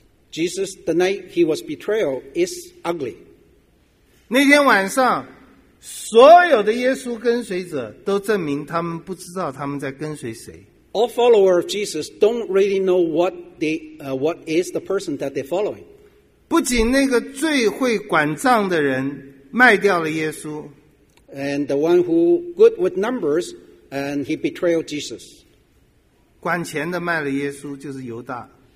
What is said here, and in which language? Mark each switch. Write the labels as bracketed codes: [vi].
[en] Jesus, the night he was betrayed, is ugly. [zh] 那天晚上, 所有的耶稣跟随者都证明他们不知道他们在跟随谁。 [en] All followers of Jesus don't really know what is the person that they're following. [zh] 不仅那个最会管账的人卖掉了耶稣, [en] and the one who good with numbers, and he betrayed Jesus. [zh] 管钱的卖了耶稣就是犹大。